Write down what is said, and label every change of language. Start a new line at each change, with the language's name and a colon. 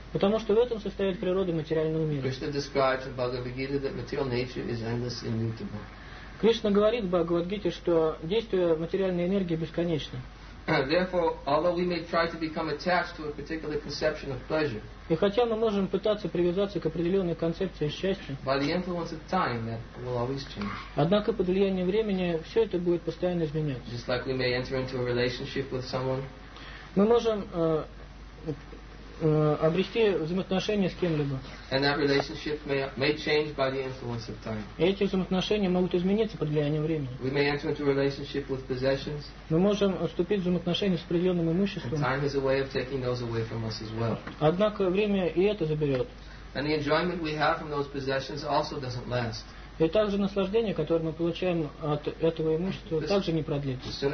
Russian: Потому что в этом состоит природа материального мира.
English: Krishna describes in Bhagavad Gita that material nature is endless and immutable.
Russian: Кришна говорит в Бхагавад-гите, что действие материальной энергии бесконечно.
English: Therefore, although we may try to become attached to a particular conception of pleasure,
Russian: и хотя мы можем пытаться привязаться к определенной концепции счастья,
English: by the influence of time, that will always change.
Russian: Однако под влиянием времени все это будет постоянно изменяться.
English: Just like we may enter into a relationship with someone,
Russian: мы можем обрести взаимоотношения с кем-либо.
English: And that relationship may change by the influence of time.
Russian: И эти взаимоотношения могут измениться под влиянием времени.
English: We may enter into a relationship with possessions.
Russian: Мы можем вступить в взаимоотношения с определенным имуществом.
English: And time is a way of taking those away from us as well.
Russian: Однако время и это заберет.
English: And the enjoyment we have from those possessions also doesn't last.
Russian: И также наслаждение, которое мы получаем от этого имущества, также не продлится.